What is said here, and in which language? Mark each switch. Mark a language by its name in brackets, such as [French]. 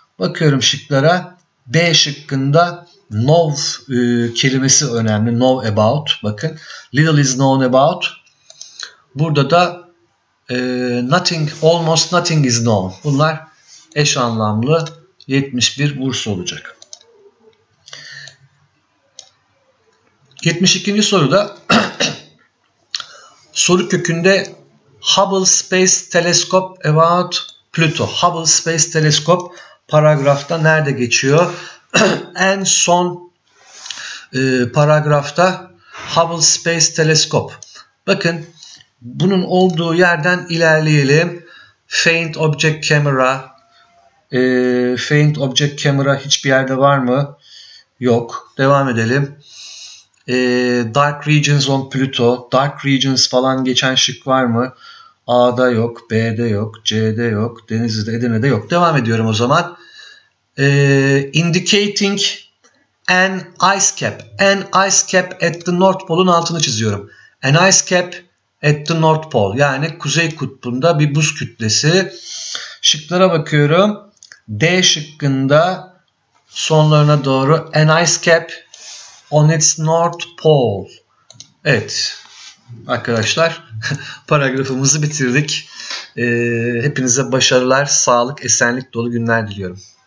[Turkish] Bakıyorum şıklara. B şıkkında know kelimesi önemli. [English] Know about. [Turkish] Bakın. [English] Little is known about. [Turkish] Burada da [English] nothing, almost nothing is known. [Turkish] Bunlar eş anlamlı 71 bursu olacak. 72. soruda soru kökünde [English] Hubble Space Telescope about Pluto. [Turkish] Hubble Space Telescope paragrafta nerede geçiyor? En son paragrafta Hubble Space Telescope. Bakın bunun olduğu yerden ilerleyelim. Faint Object Camera. Faint Object Camera hiçbir yerde var mı? Yok. Devam edelim. [English] Dark Regions on Pluto. Dark Regions [Turkish] falan geçen şık var mı? A'da yok, B'de yok, C'de yok, Denizli'de, Edirne'de yok. Devam ediyorum o zaman. [English] Indicating an ice cap. An ice cap at the North Pole'un [Turkish] altını çiziyorum. [English] An ice cap at the North Pole. [Turkish] Yani Kuzey Kutbu'nda bir buz kütlesi. Şıklara bakıyorum. D şıkkında sonlarına doğru [English] an ice cap on its North Pole. [Turkish] Evet. Arkadaşlar, paragrafımızı bitirdik. Hepinize başarılar, sağlık, esenlik, dolu günler diliyorum.